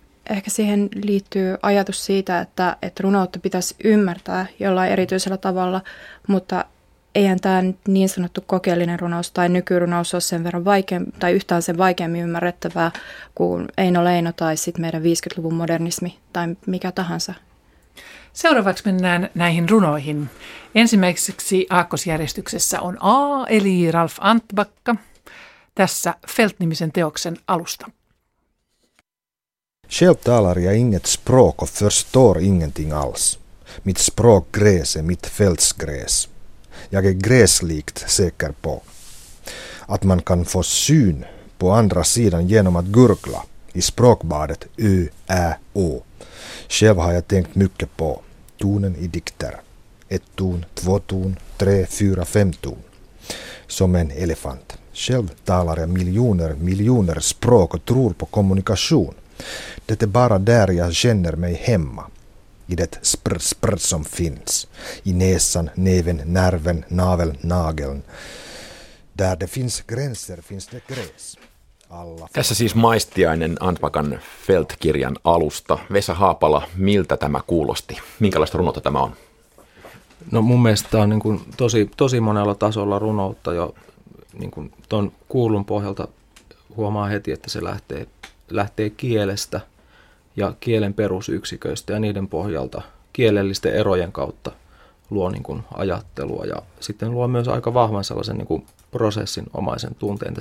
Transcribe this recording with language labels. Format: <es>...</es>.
<fi>Ehkä siihen liittyy ajatus siitä, että runoutta pitäisi ymmärtää jollain erityisellä tavalla, mutta eihän tämä niin sanottu kokeellinen runous tai nykyrunous ole sen verran vaikeammin ymmärrettävää kuin Eino Leino tai sitten meidän 50-luvun modernismi tai mikä tahansa. Seuraavaksi mennään näihin runoihin. Ensimmäiseksi aakkosjärjestyksessä on A, eli Ralf Antbacka, tässä Felt-nimisen teoksen alusta.</fi> <sv>Själv talar jag inget språk och förstår ingenting alls. Mitt språk gräs är mitt fältsgräs. Jag är gräslikt säker på. Att man kan få syn på andra sidan genom att gurgla i språkbadet Ö, Ä, Å. Själv har jag tänkt mycket på tonen i dikter. Ett ton, två ton, tre, fyra, fem ton. Som en elefant. Själv talar jag miljoner språk och tror på kommunikation. Det är bara där jag känner mig hemma, i det sprr som finns, i näsan, näven, nerven, navel, nageln. Där det finns gränser finns det gräs. Alla.</sv> <fi>Tässä siis maistiainen Antbackan Felt-kirjan alusta. Vesa Haapala, miltä tämä kuulosti? Minkälaista runoutta tämä on? No mun mielestä tämä on niin kuin tosi monella tasolla runoutta jo niin kuin ton kuulun pohjalta huomaa heti, että se lähtee kielestä ja kielen perusyksiköistä ja niiden pohjalta kielellisten erojen kautta luo niin kuin ajattelua ja sitten luo myös aika vahvan sellaisen niin kuin prosessin omaisen tunteen.</fi>